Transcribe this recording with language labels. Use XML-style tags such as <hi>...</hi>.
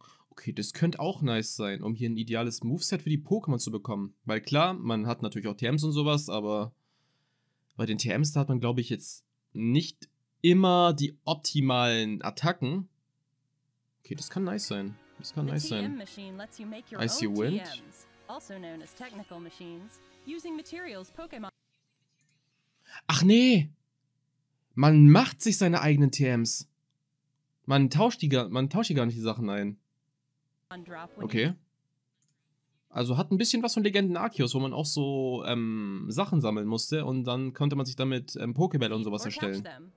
<de>Okay, das könnte auch nice sein, um hier ein ideales Moveset für die Pokémon zu bekommen. Weil klar, man hat natürlich auch TMs und sowas, aber bei den TMs, da hat man, glaube ich, jetzt nicht immer die optimalen Attacken. Okay, das kann nice sein. Das kann nice sein. Icy Wind.</de> <en>Also known as technical machines, using materials Pokémon.</en> <de>Ach nee! Man macht sich seine eigenen TMs. Man tauscht die Sachen ein. Okay. Also hat ein bisschen was von Legenden Arceus, wo man auch so Sachen sammeln musste und dann konnte man sich damit Pokébälle und sowas erstellen.</de>